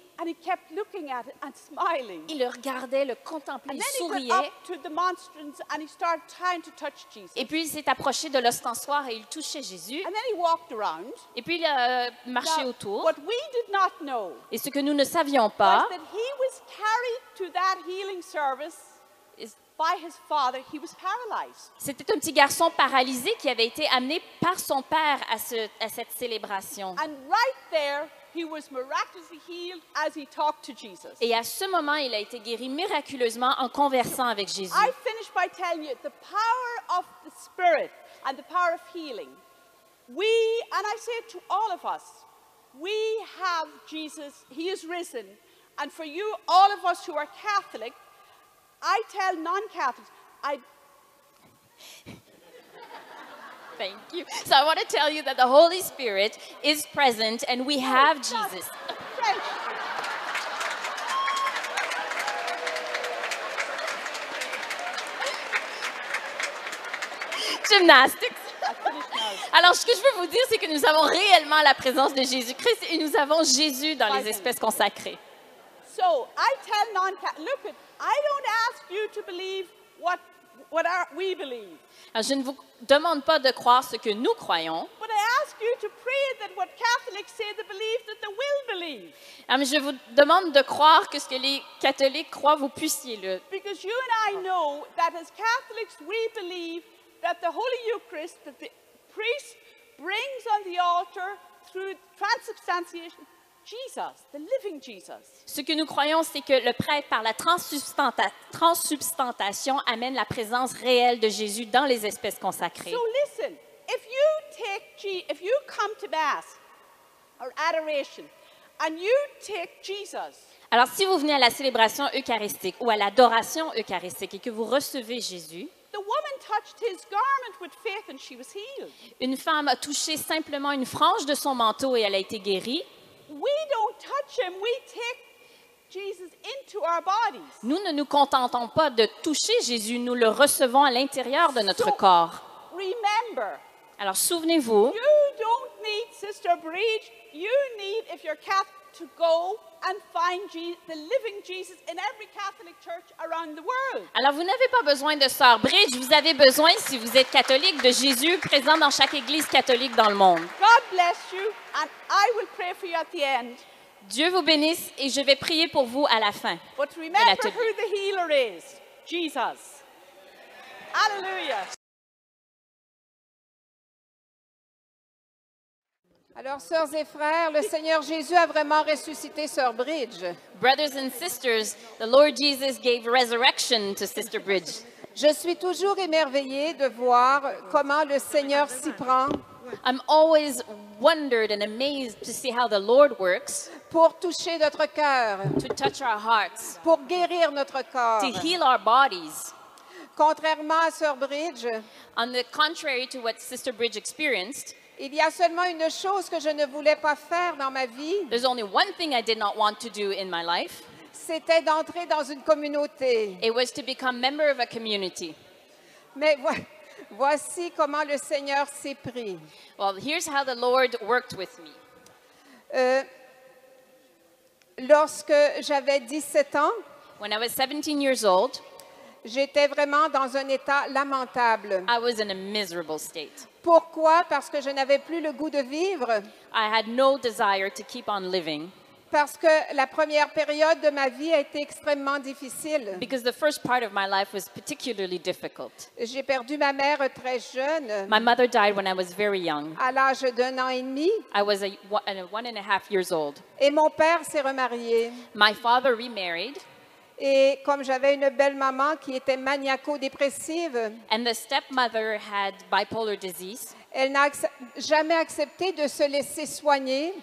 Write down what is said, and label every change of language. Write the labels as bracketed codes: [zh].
[en] And he kept looking at it and smiling. [fr] Il le regardait, le contemplait, [en] and then [fr] il souriait. [en] He went up to the monstrance and he started trying to touch Jesus. [fr] Et puis il s'est approché de l'ostensoir et il touchait Jésus. [en] And then he walked around. [fr] Et puis il a marché autour. [en] What we did not know. [fr] Et ce que nous ne savions pas. [en] Was that he was carried to that healing service. By his father, he was paralyzed. [fr] C'était un petit garçon paralysé qui avait été amené par son père à cette célébration. [en] And right there, he was miraculously healed as he talked to Jesus. [fr] Et à ce moment, il a été guéri miraculeusement en conversant avec Jésus. [en] I finish by telling you the power of the Spirit and the power of healing. We, and I say it to all of us, we have Jesus, he is risen. And for you, all of us who are Catholic, I tell non-Catholics, Thank you. So I want to tell you that the Holy Spirit is present and we have Jesus. Thank you. Gymnastics. I finished now. [fr] Alors, ce que je veux vous dire, c'est que nous avons réellement la présence de Jésus-Christ et nous avons Jésus dans les espèces consacrées. [en] So, I tell non-Catholics, look, I don't ask you to believe what we believe. [fr] Alors, je ne vous demande pas de croire ce que nous croyons. [en] But I ask you to pray that what Catholics say they believe that they will believe. [fr] Alors, je vous demande de croire que ce que les catholiques croient, vous puissiez le. [en] Because you and I know that as Catholics, we believe that the Holy Eucharist that the priest brings on the altar through transubstantiation, Jesus, the living Jesus. [fr] Ce que nous croyons, c'est que le prêtre, par la transsubstantation, amène la présence réelle de Jésus dans les espèces consacrées. [en] So listen, if you take if you come to mass or adoration, and you take Jesus. [fr] Alors, si vous venez à la célébration eucharistique ou à l'adoration eucharistique et que vous recevez Jésus, [en] the woman touched his garment with faith and she was healed. [fr] Une femme a touché simplement une frange de son manteau et elle a été guérie. [en] We don't touch him, we take Jesus into our bodies. [fr] Nous ne nous contentons pas de toucher Jésus, nous le recevons à l'intérieur de notre corps. [en] Remember, [fr] alors souvenez-vous, [en] you don't need Sister Bridge, you need if you're Catholic to go and find the living Jesus in every Catholic church around the world. [fr] Alors vous n'avez pas besoin de Sœur Bridge, vous avez besoin si vous êtes catholique de Jésus présent dans chaque église catholique dans le monde. [en] God bless you and I will pray for you at the end. [fr] Dieu vous bénisse et je vais prier pour vous à la fin. [en] But remember who the healer is, Jesus. Hallelujah. [fr] Alors, sœurs et frères, le Seigneur Jésus a vraiment ressuscité Sœur Bridge. [en] Brothers and sisters, the Lord Jesus gave resurrection to Sister Bridge. [fr] Je suis toujours émerveillée de voir comment le Seigneur s'y prend. [en] I'm always wondered and amazed to see how the Lord works. [fr] Pour toucher notre cœur. [en] To touch our hearts. [fr] Pour guérir notre corps. [en] To heal our bodies. [fr] Contrairement à Sœur Bridge. [en] On the contrary to what Sister Bridge experienced. [fr] Il y a seulement une chose que je ne voulais pas faire dans ma vie. [en] There's only one thing I did not want to do in my life. [fr] C'était d'entrer dans une communauté. [en] It was to become member of a community. [fr] Mais voici comment le Seigneur s'est pris. [en] Well, here's how the Lord worked with me. [fr] Lorsque j'avais 17 ans, [en] when I was 17 years old, [fr] j'étais vraiment dans un état lamentable. [en] I was in a miserable state. [fr] Pourquoi? Parce que je n'avais plus le goût de vivre. [en] I had no desire to keep on living. [fr] Parce que la première période de ma vie a été extrêmement difficile. [en] Because the first part of my life was particularly difficult. [fr] J'ai perdu ma mère très jeune. [en] My mother died when I was very young. [fr] À l'âge d'un an et demi. [en] I was one and a half years old. [fr] Et mon père s'est remarié. [en] My father remarried. [fr] Et comme j'avais une belle maman qui était maniaco-dépressive, [en] and the stepmother had bipolar disease, [fr] elle n'a jamais accepté de se laisser soigner.